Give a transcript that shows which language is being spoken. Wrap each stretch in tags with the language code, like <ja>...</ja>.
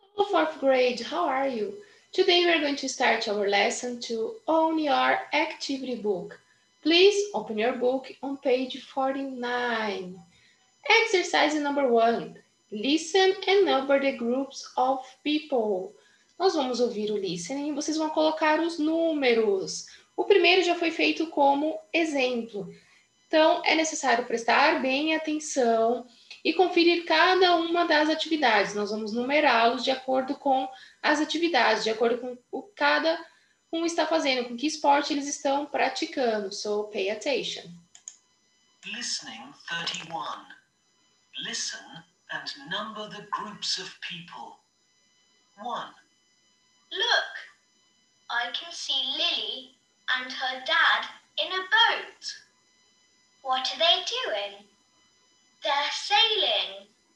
<en>Fourth grade, how are you? Today we are going to start our lesson to own your activity book. Please open your book on page 49. Exercise number one. Listen and number the groups of people.</en> <pt>Nós vamos ouvir o listening e vocês vão colocar os números. O primeiro já foi feito como exemplo. Então, é necessário prestar bem atenção e conferir cada uma das atividades. Nós vamos numerá-los de acordo com as atividades, de acordo com o que cada um está fazendo, com que esporte eles estão praticando.</pt> <en>So, pay attention. Listening 31. Listen and number the groups of people. 1. Look, I can see Lily and her dad in a boat. What are they doing? They're sailing.</en>